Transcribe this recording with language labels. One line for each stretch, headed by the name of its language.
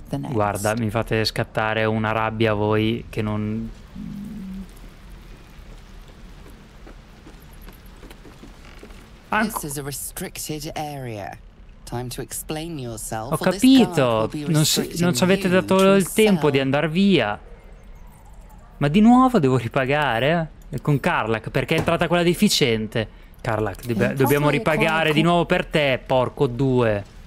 Italian: Guarda, mi fate scattare una rabbia voi che non...
English: This is a restricted area. Time to explain yourself.
Italian: Ho capito, non ci avete dato il tempo di andare via. Ma di nuovo devo ripagare? Con Karlach, perché è entrata quella deficiente. Karlach, dobbiamo ripagare di nuovo per te, porco due.